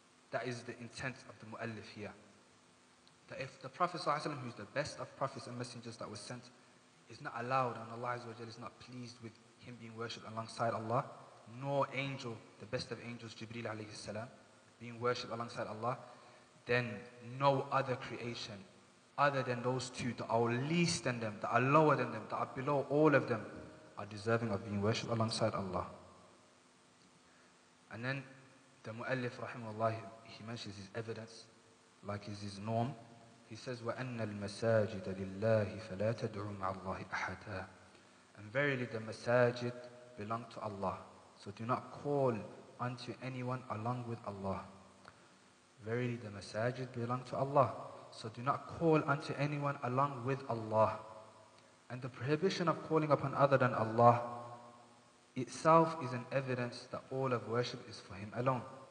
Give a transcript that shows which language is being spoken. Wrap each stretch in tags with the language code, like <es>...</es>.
<en>That is the intent of the Mu'allif here. That if the Prophet ﷺ, who is the best of prophets and messengers that was sent, is not allowed and Allah Azza wa Jalla is not pleased with him being worshipped alongside Allah, nor angel, the best of angels, Jibreel alayhi salam, being worshipped alongside Allah, then no other creation other than those two that are least than them, that are lower than them, that are below all of them, are deserving of being worshipped alongside Allah. And then the Mu'allif, rahimahullah, he mentions his evidence, like is his norm. He says,</en> <ar>وَأَنَّ الْمَسَاجِدَ لِلَّهِ فَلَا تَدْعُوا مَعَ اللَّهِ أَحَدًا.</ar> <en>And verily the masajid belong to Allah. So do not call unto anyone along with Allah. Verily the masajid belong to Allah. So do not call unto anyone along with Allah. And the prohibition of calling upon other than Allah itself is an evidence that all of worship is for him alone.</en>